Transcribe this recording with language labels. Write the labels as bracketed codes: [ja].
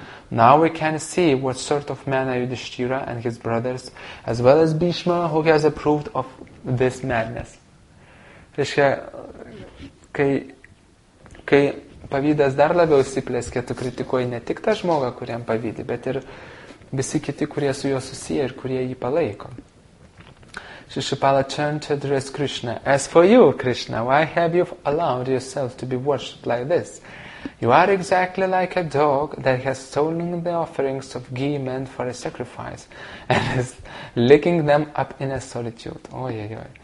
[en] Now we can see what sort of man are Yudhishthira and his brothers, as well as Bhishma, who has approved of this madness." [lt] Reiškia, kai pavydas dar labiau įsiplėskė, tu kritikuoji ne tik tą žmogą, kuriam pavydi, bet ir visi kiti, kurie su juo susiję ir kurie jį palaiko. [en] Shishupala turned to address Krishna. "As for you, Krishna, why have you allowed yourself to be worshipped like this? You are exactly like a dog that has stolen the offerings of ghee meant for a sacrifice and is licking them up in a solitude. Oy.